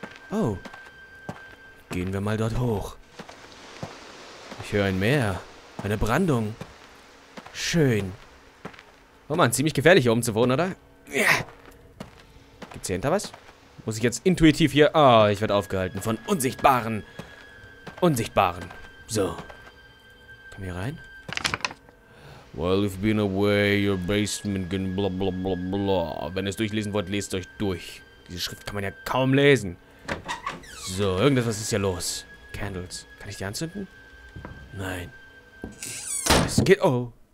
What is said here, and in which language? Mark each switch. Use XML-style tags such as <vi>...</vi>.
<de>Oh. Gehen wir mal dort hoch. Ich höre ein Meer. Eine Brandung. Schön. Oh Mann, ziemlich gefährlich hier oben zu wohnen, oder? Ja. Gibt's hier hinter was? Muss ich jetzt intuitiv hier... Oh, ich werde aufgehalten von Unsichtbaren. Unsichtbaren. So. Komm hier rein.</de> <en>While you've been away, your basement can bla bla bla bla.</en> <de>Wenn ihr es durchlesen wollt, lest euch durch. Diese Schrift kann man ja kaum lesen. So, irgendwas ist hier los. Candles. Kann ich die anzünden? Nein. Es geht... Oh.</de>